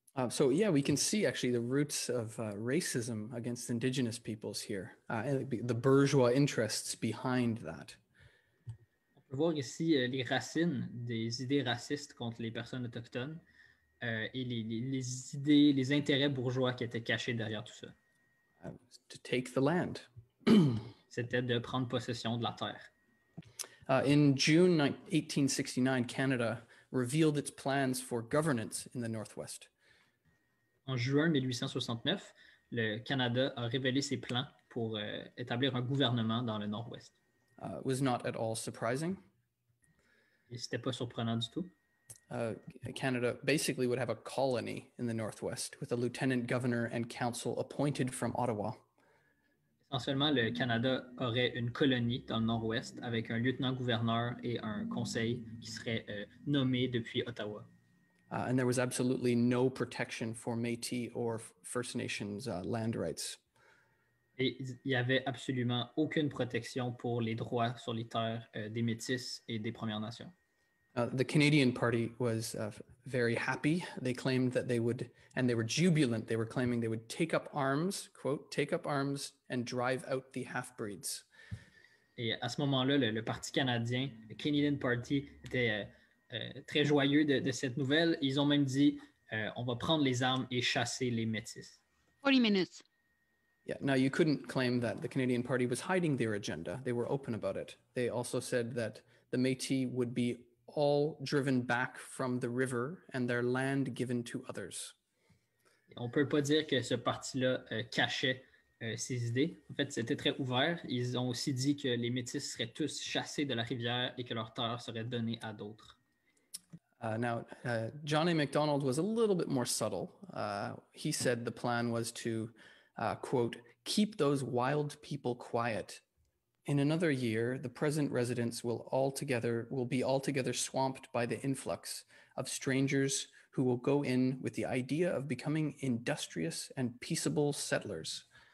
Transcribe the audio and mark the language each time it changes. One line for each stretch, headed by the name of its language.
English: So yeah, we can see actually the roots of racism against indigenous peoples here, the bourgeois interests behind that.
French: Voir ici les racines des idées racistes contre les personnes autochtones et les idées, les intérêts bourgeois qui étaient cachés derrière tout ça.
English: To take the land.
French: C'était de prendre possession de la terre.
English: In June 1869, Canada revealed its plans for governance in the Northwest.
French: En juin 1869, le Canada a révélé ses plans pour établir un gouvernement dans le Nord-Ouest.
English: Was not at all surprising.
French: Et c'était pas surprenant du tout.
English: Canada basically would have a colony in the Northwest with a lieutenant governor and council appointed from Ottawa.
French: Essentiellement, le Canada aurait une colonie dans le Nord-Ouest avec un lieutenant-gouverneur et un conseil qui serait nommé depuis Ottawa.
English: And there was absolutely no protection for Métis or First Nations land rights.
French: Et il n'y avait absolument aucune protection pour les droits sur les terres des Métis et des Premières Nations.
English: The Canadian Party was very happy. They claimed that they would, and they were jubilant, they were claiming they would take up arms, quote, take up arms and drive out the half-breeds.
French: Et à ce moment-là, le Parti canadien, le Canadian Party, était très joyeux de cette nouvelle. Ils ont même dit, on va prendre les armes et chasser les Métis.
English: 40 minutes. Yeah, now you couldn't claim that the Canadian Party was hiding their agenda. They were open about it. They also said that the Métis would be all driven back from the river and their land given to others.
French: On peut pas dire que ce parti-là cachait ses idées. En fait, c'était très ouvert. Ils ont aussi dit que les Métis seraient tous chassés de la rivière et que leurs terres seraient données à d'autres.
English: John A. MacDonald was a little bit more subtle. He said the plan was to quote, keep those wild people quiet. In another year, the present residents will be altogether swamped by the influx of strangers who will go in with the idea of becoming industrious and peaceable settlers.